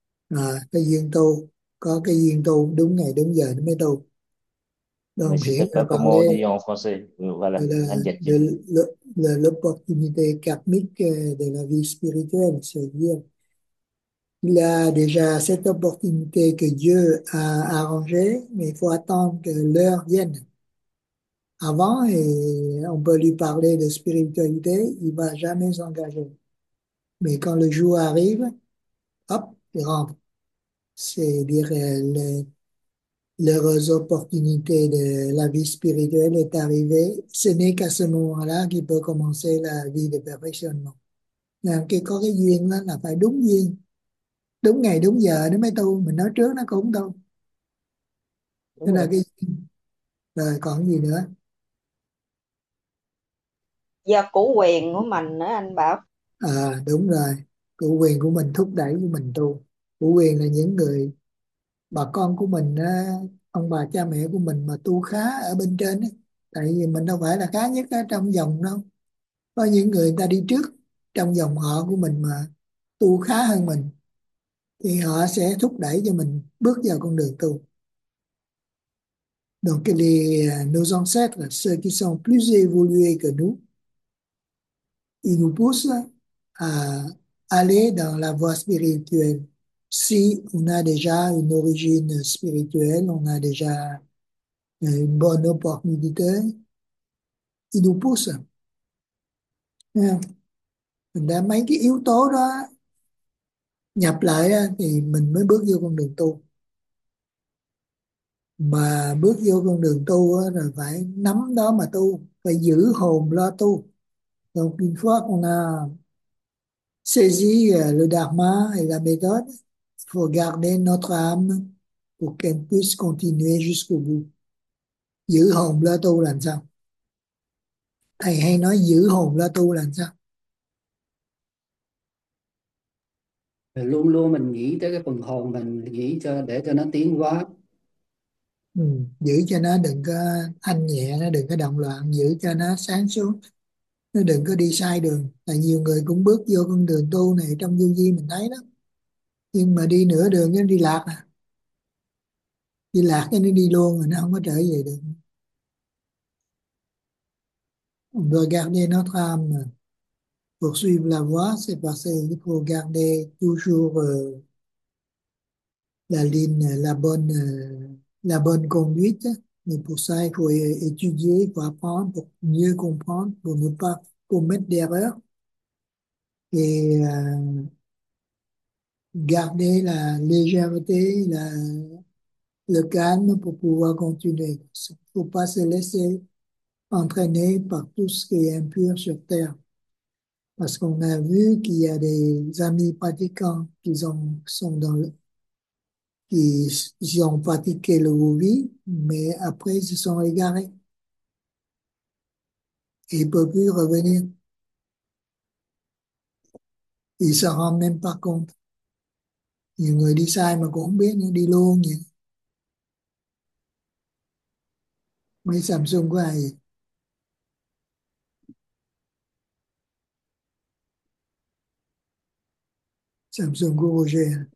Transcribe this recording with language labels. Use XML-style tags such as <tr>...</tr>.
<vi>À, cái duyên tu, có cái duyên tu đúng ngày đúng giờ nó mới tu. Đồng</vi> <fr>Merci,</fr> <vi>hiểu</vi> <fr>c'est</fr> <vi>là</vi> <fr>pas</fr> <vi>còn</vi> <fr>comme on dit en français.</fr> <vi>Voilà, anh dịch giùm.</vi> <fr>l'opportunité karmique de la vie spirituelle, c'est-à-dire il y a déjà cette opportunité que Dieu a arrangée, mais il faut attendre que l'heure vienne. Avant, et on peut lui parler de spiritualité, il va jamais s'engager. Mais quand le jour arrive, hop, il rentre. C'est-à-dire l'heureuse opportunité de la vie spirituelle est arrivée. Ce n'est qu'à ce moment-là qu'il peut commencer la vie de perfectionnement.</fr> <vi>Là cái có cái duyên đó là phải đúng duyên. Đúng ngày đúng giờ nó mới tu, mình nói trước nó cũng đâu. Nên Đúng là rồi. cái rồi còn gì nữa? Do cổ quyền của mình nữa anh bảo. À đúng rồi, cái quyền của mình thúc đẩy của mình tu. Cái quyền là những người bà con của mình, ông bà cha mẹ của mình mà tu khá ở bên trên, tại vì mình đâu phải là khá nhất ở trong dòng đâu. Có những người ta đi trước trong dòng họ của mình mà tu khá hơn mình, thì họ sẽ thúc đẩy cho mình bước vào con đường tu.</vi> <fr>Donc cái nos ancêtres, ceux qui sont plus évolués que nous, ils nous poussent à aller dans la voie spirituelle. Si on a déjà une origine spirituelle, on a déjà une bonne opportunité, ils nous poussent.</fr> <vi>Mấy cái yếu tố đó nhập lại thì mình mới bước vô con đường tu. Mà bước vô con đường tu rồi phải nắm đó mà tu, phải giữ hồn lo tu.</vi> <fr>Donc une fois qu'on a saisi le dharma et la méthode, il faut garder notre âme pour qu'elle puisse continuer jusqu'au bout.</fr> <vi>Giữ hồn lo tu làm sao? Thầy hay nói giữ hồn lo tu làm sao? Luôn luôn mình nghĩ tới cái phần hồn mình nghĩ cho để cho nó tiến hóa. Giữ cho nó đừng có thanh nhẹ, nó đừng có động loạn, giữ cho nó sáng suốt, nó đừng có đi sai đường. Là nhiều người cũng bước vô con đường tu này trong vô vi mình thấy đó, nhưng mà đi nửa đường nó đi lạc à, đi lạc cái nó đi luôn rồi, nó không có trở về được.</vi> <fr>Regardez notre âme, poursuivre la voie, c'est passer, regardez toujours la bonne conduite, mais pour ça, il faut étudier, il faut apprendre pour mieux comprendre, pour ne pas commettre d'erreurs. Et garder la légèreté, le calme pour pouvoir continuer. Il ne faut pas se laisser entraîner par tout ce qui est impur sur Terre. Parce qu'on a vu qu'il y a des amis pratiquants qui ont pratiqué le Wu-Wei, mais après, ils se sont égarés. Et ils ne peuvent plus revenir. Ils ne s'en rendent même pas compte.</fr> <vi>Nhiều người đi sai mà cũng không biết, nữa, đi luôn vậy. Mấy Samsung của ai vậy? Samsung của Roger.</vi>